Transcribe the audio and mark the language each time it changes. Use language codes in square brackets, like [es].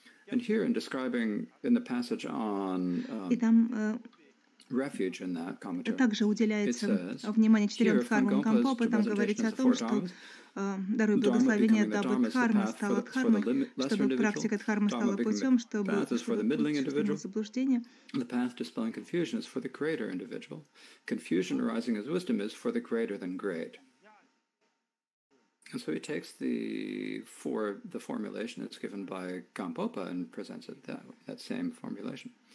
[en] And here, in describing in the passage on refuge in that commentary, [ru] также уделяется внимание четырем дхармам Кампопы. Там говорится о том, что даруй благословение дабы дхарма стала дхармой, чтобы практика дхармы стала путем, чтобы заблуждение. [en] The path dispelling confusion is for the greater individual. Confusion arising as wisdom is for the greater than great. And so he takes the formulation that's given by Gampopa and presents it that same formulation.